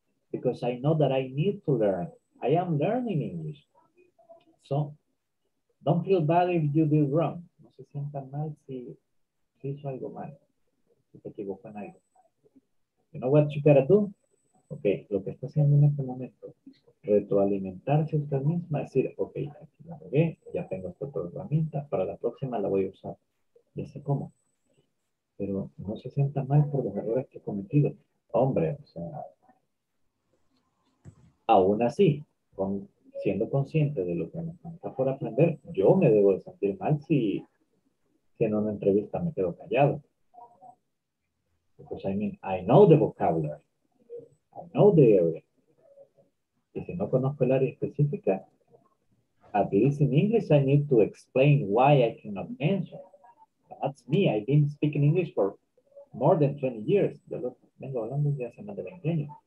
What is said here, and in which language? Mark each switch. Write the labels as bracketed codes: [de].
[en] Because I know that I need to learn. I am learning English. So, don't feel bad if you did wrong. [es] No se sienta mal si hizo algo mal. Si te equivocó en algo. [en] You know what you gotta do? [es] Okay, lo que está haciendo en este momento, retroalimentarse usted misma, decir, okay, aquí la regué, ya tengo esta otra herramienta, para la próxima la voy a usar. Ya sé cómo. Pero no se sienta mal por los errores que he cometido. Hombre, o sea, aún así, siendo consciente de lo que me falta por aprender, yo me debo de sentir mal si en una entrevista me quedo callado. [en] Because I mean, I know the vocabulary. I know the area. [es] Y si no conozco el área específica, [en] at least in English, I need to explain why I cannot answer. That's me. I've been speaking English for more than 20 years. [es] Yo vengo hablando desde hace más de 20 años.